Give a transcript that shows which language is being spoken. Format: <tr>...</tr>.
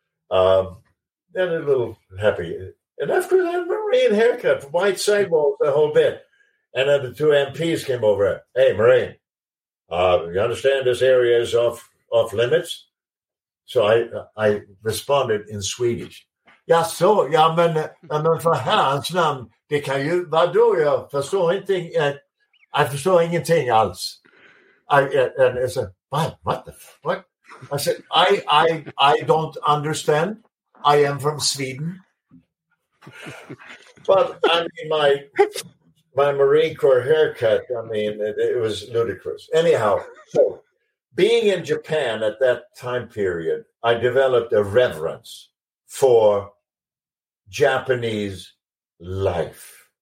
<en>And a little happy. And after that, Marine haircut, white sidewalls, the whole bit. And then the two MPs came over. Hey, Marine, you understand this area is off limits? So I responded in Swedish.</en> <sv>Ja så, ja men för hans namn, det kan ju vad då jag förstår inte. I förstår ingenting alls.</sv> <en>And I said, what the fuck? I said, I don't understand. I am from Sweden. But I mean, my Marine Corps haircut, I mean, it was ludicrous. Anyhow, so being in Japan at that time period, I developed a reverence for Japanese life.</en>